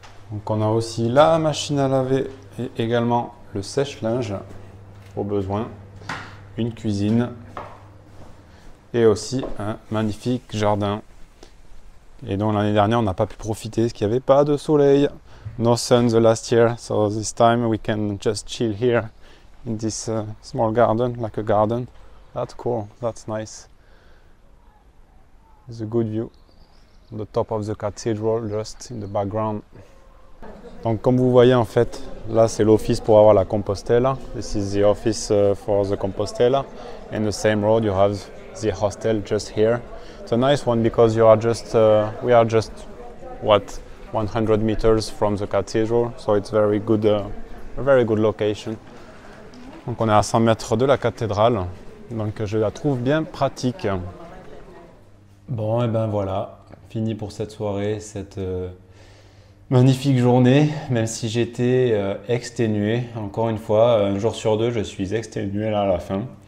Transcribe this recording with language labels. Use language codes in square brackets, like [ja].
[fr] Donc on a aussi la machine à laver et également le sèche-linge au besoin, une cuisine et aussi un magnifique jardin. Et donc l'année dernière on n'a pas pu profiter parce qu'il n'y avait pas de soleil. [en] No sun the last year, so this time we can just chill here in this small garden, like a garden. That's cool, that's nice. It's a good view on the top of the cathedral, just in the background. [fr] Donc comme vous voyez en fait, là c'est l'office pour avoir la Compostela. [en] This is the office for the Compostela. And the same road you have the hostel just here. It's a nice one because you are just, we are just, what, 100 meters from the cathedral. So it's very good, a very good location. [fr] Donc on est à 100 mètres de la cathédrale. Donc je la trouve bien pratique. Bon et ben voilà, fini pour cette soirée, cette... magnifique journée, même si j'étais exténué. Encore une fois, un jour sur deux, je suis exténué là à la fin.